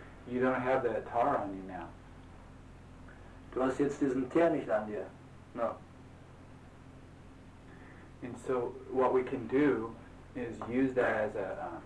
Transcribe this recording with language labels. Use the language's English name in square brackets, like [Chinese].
[English] You don't have that tar on you now. [German] Du hast jetzt diesen Teer nicht an dir. [English] No. And so what we can do is use that as a...